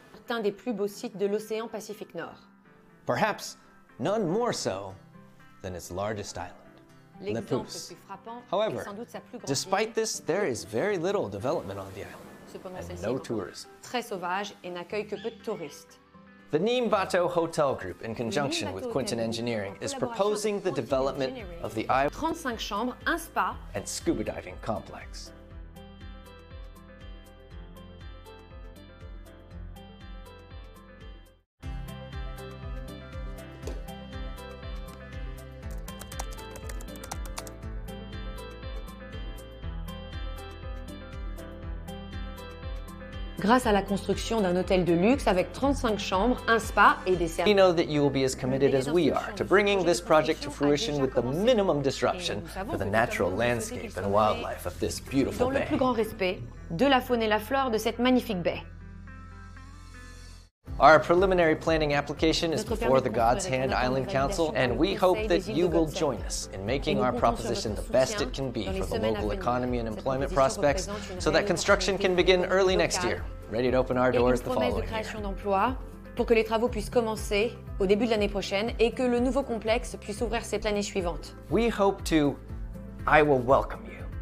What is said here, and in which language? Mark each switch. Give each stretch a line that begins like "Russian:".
French: Un des plus beaux sites de l'océan Pacifique Nord.
English: Perhaps none more so than its largest island, Lipus. However, despite this, there is very little development on the island,
French: cependant,
English: and no tourists.
French: Très sauvage et n'accueille que peu de touristes.
English: The Neem Bato Hotel Group, in conjunction with Quinton Engineering, is proposing the development of the
French: 35 chambres, un spa,
English: and scuba diving complex.
French: Grâce à la construction d'un hôtel de luxe avec 35 chambres, un spa et des services.
English: We know that you will be as committed as we are to bringing this project to fruition with the minimum disruption for the natural landscape and wildlife of this beautiful bay.
French: Dans le plus grand respect de la faune et la flore de cette magnifique baie.
English: Our preliminary planning application is before the God's Hand Island Council, and we hope that you will join us in making our proposition the best it can be for the local economy and employment prospects, so that construction can begin early next year, ready to open our doors the following year.
French: Pour que les travaux puissent commencer au début de l'année prochaine et que le nouveau complexe puisse ouvrir cette année suivante.
English: We hope to. I will welcome you.